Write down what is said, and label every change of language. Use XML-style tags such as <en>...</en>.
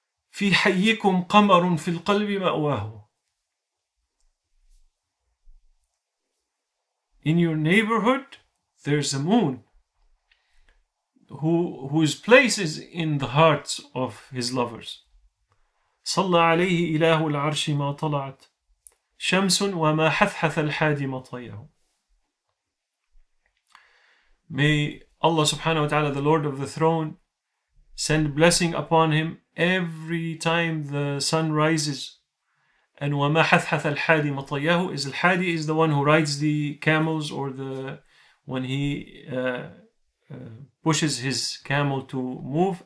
<ar>Fi hayyikum qamarun fil qalbi ma'wahu.</ar> <en>In your neighborhood there's a moon whose place is in the hearts of his lovers.</en> <ar>صلى عليه إله العرش ما طلعت شمس وما حثحث الحادي مطيه.</ar> <en>May Allah subhanahu wa ta'ala, the Lord of the throne, send blessing upon him every time the sun rises. And</en> <ar>وما حثحث الحادي مطيه</ar> <en>is, الحادي is the one who rides the camels, or the when he pushes his camel to move.</en>